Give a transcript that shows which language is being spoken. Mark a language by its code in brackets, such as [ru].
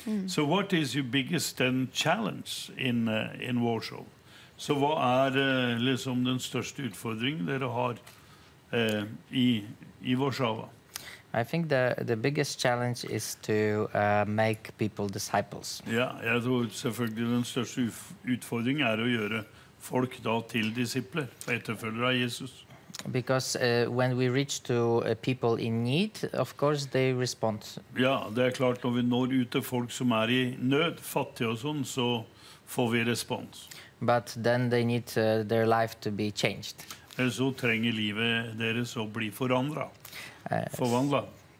[en] So what is your biggest challenge in Warsaw? [no] Så hva er liksom den største utfordringen dere har i Warsaw? [en] I think the biggest challenge is to make people disciples. [no] Ja, jeg tror selvfølgelig den største utfordringen er å gjøre folk da til disipler, etterfølgere av Jesus. [en] Because when we reach to people in need, of course they respond. [no] Ja, det er klart når vi når ut til folk som er i nød, fattige og sånn, så får vi respons. [en] But then they need their life to be changed. [no] Så trenger livet deres å bli forandret. Forvandlet.